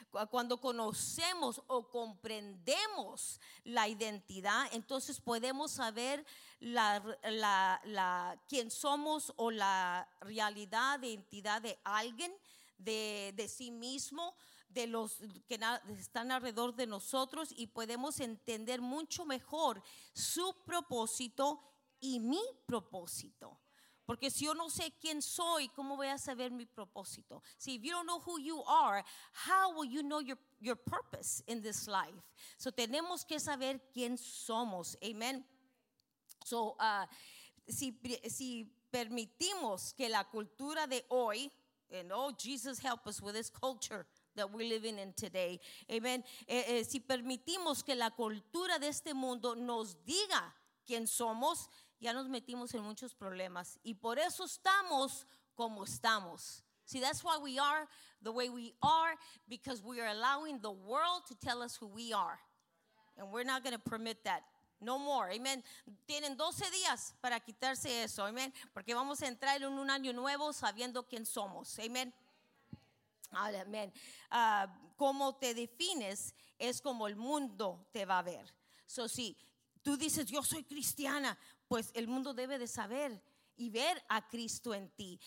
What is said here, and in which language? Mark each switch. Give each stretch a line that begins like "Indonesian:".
Spanish: Cuando conocemos o comprendemos la identidad, entonces podemos saber la quién somos o la realidad de identidad de alguien. De sí mismo, de los que están alrededor de nosotros y podemos entender mucho mejor su propósito y mi propósito. Porque si yo no sé quién soy, ¿cómo voy a saber mi propósito?
English: So if you don't know who you are, how will you know your purpose in this life?
Spanish: So tenemos que saber quién somos. Amen. So si permitimos que la cultura de hoy,
English: and oh, Jesus, help us with this culture that we're living in today. Amen.
Spanish: Si permitimos que la cultura de este mundo nos diga quién somos, ya nos metimos en muchos problemas. Y por eso estamos como estamos.
English: See, that's why we are the way we are, because we are allowing the world to tell us who we are. And we're not going to permit that No more,
Spanish: amen. Tienen 12 días para quitarse eso, amen. Porque vamos a entrar en un año nuevo sabiendo quién somos, amen. Amen. Como te defines es como el mundo te va a ver. So, si tú dices yo soy cristiana, pues el mundo debe de saber y ver a Cristo en ti.